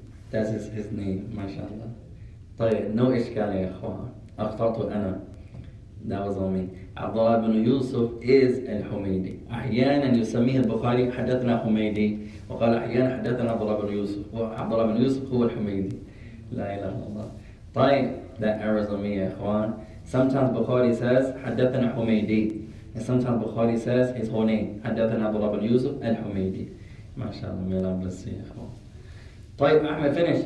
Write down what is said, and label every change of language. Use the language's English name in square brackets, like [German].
[English] That's his name, mashallah. [Arabic] طيب, no إشكال يا أخوان. أخطأت أنا. [English] That was on me. Abdullah ibn Yusuf is Humaydi. [Arabic] أحيانا يسميه البخاري حدثنا Humaydi. وقال أحيانا حدثنا Abdullah ibn Yusuf. Abdullah ibn Yusuf هو Humaydi. لا إله إلا الله. [English] طيب, that errors on me يا أخوان. Sometimes Bukhari says Haddathana Humaydi, and sometimes Bukhari says his whole name Haddathana Abdullah bin Yusuf al Humaydi. MashaAllah, may Allah bless you. طيب, Ahmed, finish.